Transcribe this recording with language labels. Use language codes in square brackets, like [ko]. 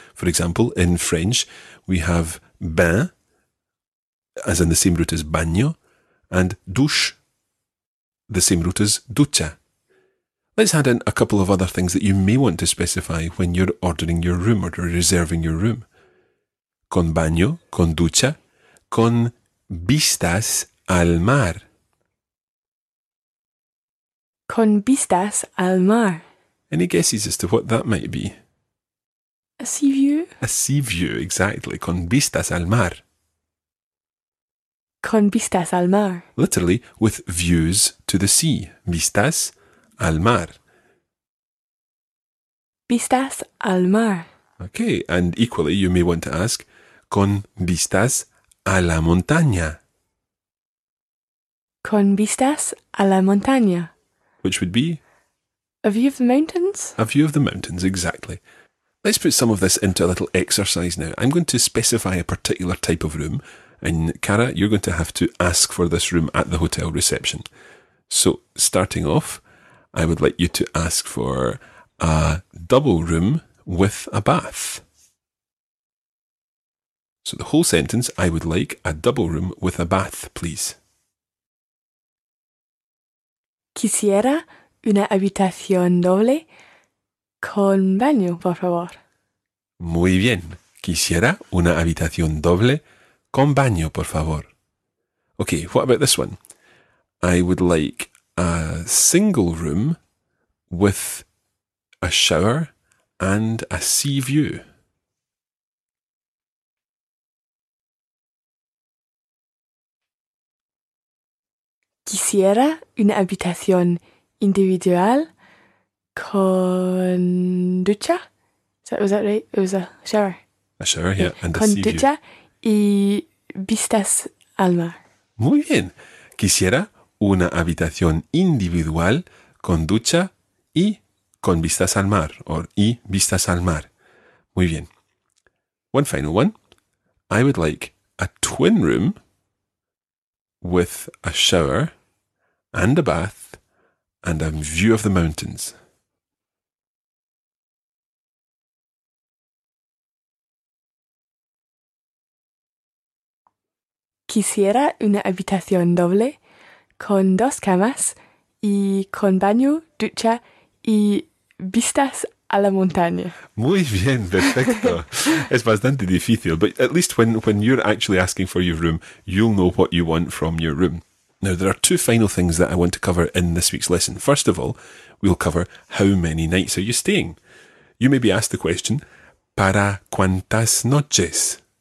[en] For example, in French, we have bain, as in the same root as baño, and douche. the same root as ducha. Let's add in a couple of other things that you may want to specify when you're ordering your room or reserving your room. [es] Con baño, con ducha, con vistas al mar. Con vistas al mar. [en] Any guesses as to what that might be? A sea view? A sea view, exactly. [es] Con vistas al mar. Con vistas al mar. [en] Literally, with views to the sea. [es] Vistas al mar. Vistas al mar. [en] Okay, and equally you may want to ask, [es] con vistas a la montaña. Con vistas a la montaña. [en] Which would be? A view of the mountains. A view of the mountains, exactly. Let's put some of this into a little exercise now. I'm going to specify a particular type of room, and Cara, you're going to have to ask for this room at the hotel reception. So, starting off, I would like you to ask for a double room with a bath. So the whole sentence, I would like a double room with a bath, please. [es] Quisiera una habitación doble con baño, por favor. Muy bien. Quisiera una habitación doble con baño, por favor. [en] Okay, what about this one? I would like a single room with a shower and a sea view. [es] Quisiera una habitación individual con ducha. [en] Was that right? It was a shower. A shower, yeah. And [es] con [en] a sea [es] ducha [en] view. [es] Y vistas al mar. Muy bien. Quisiera una habitación individual con ducha y con vistas al mar. Or y vistas al mar. Muy bien. [en] One final one. I would like a twin room with a shower and a bath and a view of the mountains. [es] Quisiera una habitación doble con dos camas y con baño, ducha y vistas a la montaña. Muy bien, perfecto. Es bastante difícil, [en] but at least when you're actually asking for your room, you'll know what you want from your room. Now, there are two final things that I want to cover in this week's lesson. First of all, we'll cover how many nights are you staying? You may be asked the question, [es] ¿para cuántas noches?